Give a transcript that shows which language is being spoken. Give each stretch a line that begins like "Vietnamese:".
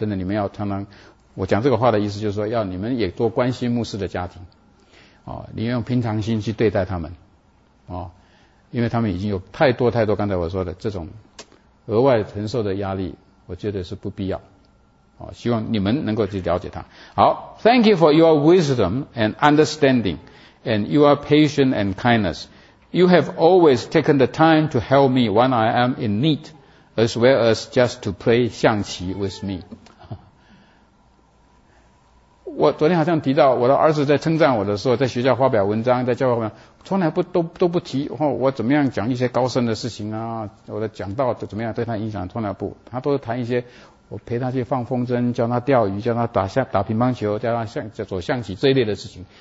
Chinese: 真的，你们要常常，我讲这个话的意思就是说，要你们也多关心牧师的家庭，哦，你用平常心去对待他们，哦，因为他们已经有太多太多刚才我说的这种额外承受的压力，我觉得是不必要。希望你们能够去了解他。
English: 好， Thank you for your wisdom and understanding and your patience and kindness. You have always taken the time to help me when I am in need as well as just to play 象棋 with me.
Chinese: 我昨天好像提到我的儿子在称赞我的时候，在学校发表文章，在教会从来都不提，哦，我怎么样讲一些高深的事情啊，我的讲道怎么样对他影响，从来不，他都是谈一些我陪他去放风筝，教他钓鱼，教他打乒乓球，教他走象棋这一类的事情。